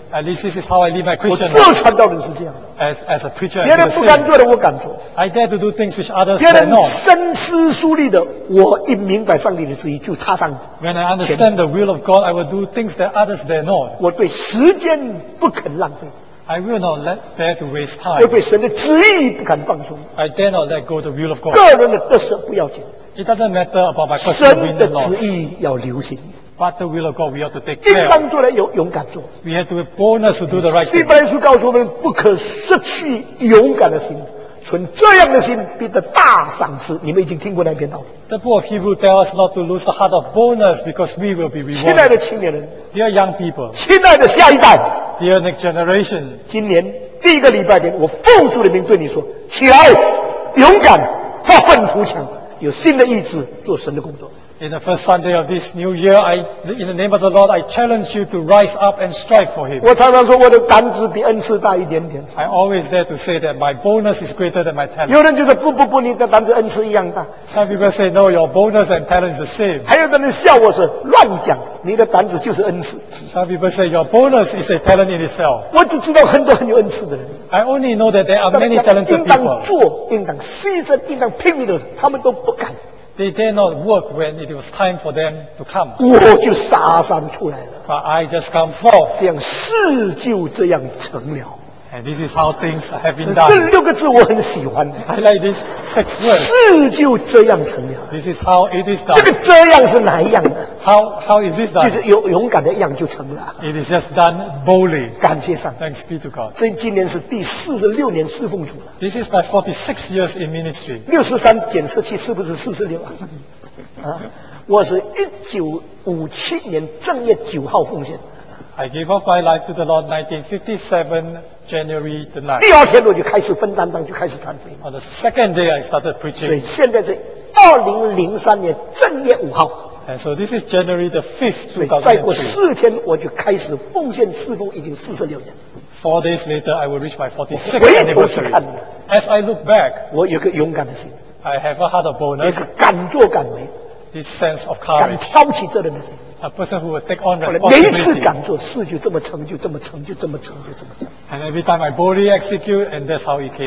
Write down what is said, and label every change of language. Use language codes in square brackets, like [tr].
[en] At least this is how I live my Christian life. [zh] 我做传道人是这样的。 [en] As a preacher, [zh] 别人不敢做的，我敢做。 [en] I dare to do things which others cannot. [zh] 别人深思熟虑的，我一明白上帝的旨意，就踏上。 [en] When I understand the will of God, I will do things that others dare not. [zh] 我对时间不肯浪费。 [en] I will not let dare to waste time. [zh] 我对神的旨意不肯放松。 [en] I dare not let go the will of God. [zh] 个人的得失不要紧。 [en] It doesn't matter about my personal win and loss. [zh] 神的旨意要流行。 [en] But the will of God, we have to take care. [zh] 应当做来勇敢做。 [en] We have to be boldness to do the right thing. [zh] 希伯来书告诉我们，不可失去勇敢的心，存这样的心，必得大赏赐。你们已经听过那篇道理。 [en] The book of Hebrews tells us not to lose the heart of boldness, because we will be rewarded. [zh] 亲爱的青年人 [en] ，Dear young people， [zh] 亲爱的下一代 [en] ，Dear next generation， [zh] 今年第一个礼拜天，我奉主的名对你说，起来，勇敢，发愤图强，有新的意志，做神的工作。 [en] In the first Sunday of this new year, in the name of the Lord, I challenge you to rise up and strive for Him. [zh] 我常常说我的胆子比恩赐大一点点。 [en] I always dare to say that my boldness is greater than my talent. [zh] 有人就说不，你的胆子恩赐一样大。 [en] Some people say no, your boldness and talent is the same. [zh] 还有的人笑我说乱讲，你的胆子就是恩赐。 [en] Some people say your boldness is a talent in itself. [zh] 我只知道很多很有恩赐的人。 [en] I only know that there are many talented people. [zh] 应当做，应当牺牲，应当拼命的，他们都不敢。 [en] They dare not work when it was time for them to come. [zh] 我就杀山出来了。 [en] But I just come forth. [zh] 这样事就这样成了。 [en] And this is how things have been done. [zh] 这六个字我很喜欢。 [en] I like this six words. [zh] 事就这样成了。 [en] This is how it is done. [zh] 这个这样是哪一样的？ [en] How is this done? [zh] 就是勇敢的样就成了。 [en] It is just done boldly. [zh] 感谢上。 [en] Thanks be to God. [zh] 这今年是第46年侍奉主。 [en] This is my 46 years in ministry. [zh] 63减17是不是46啊？我是1957年正月9号奉献。 [en] I gave up my life to the Lord 1957 January the 9th. [zh] 第二天我就开始分担当，就开始传福音。 [en] On the second day, I started preaching. [zh] 所以现在是2003年正月5号。 [en] And so this is January the 5th, 2003. [zh] 再过四天我就开始奉献侍奉，已经46年。 [en] Four days later, I will reach my 46th anniversary. As I look back, [zh] 我有个勇敢的心。 [en] I have a heart of boldness. [zh] 也是敢作敢为。 [en] This sense of courage. [zh] 敢挑起责任的心。 [en] A person who will take on responsibility. [zh] 每一次敢做事就这么成就，这么成就，这么成就，这么成就。 [en] And every time I boldly execute, and that's how it came about.